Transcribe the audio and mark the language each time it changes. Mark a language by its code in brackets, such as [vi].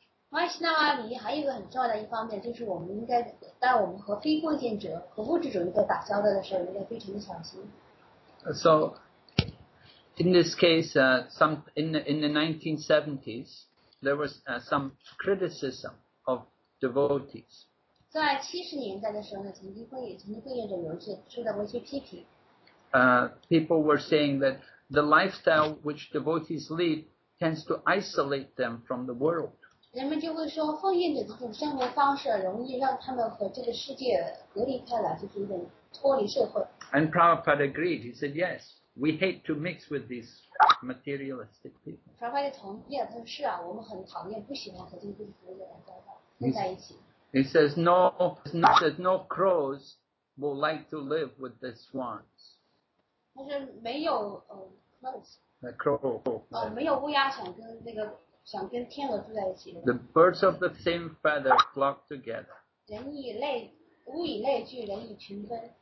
[zh] Vaishnava 礼仪还有一个很重要的一方面，就是我们应该当我们和非奉献者和物质主义在打交道的时候，应该非常的小心。 [en] So, in this case, in the 1970s, there was some criticism of devotees. [zh] 在七十年代的时候呢，曾经奉献者有些受到过一些批评。 [en] People were saying that the lifestyle which devotees lead tends to isolate them from the world. [zh] 人们就会说，奉献者的这种生活方式容易让他们和这个世界隔离开来，就是有点脱离社会。 [en] And Prabhupada agreed. He said, "Yes, we hate to mix with these materialistic people." [zh] Prabhupada 同意，他说是啊，我们很讨厌，不喜欢和这些物质主义的人交往，混在一起。 [en] He says, "No, he says no crows will like to live with the swans." [zh] 他说没有crows. [en] The crow. [zh] 没有乌鸦想跟那个。想跟天鹅住在一起。 [en] The birds of the same feather flock together. [zh] 人以类，物以类聚，人以群分。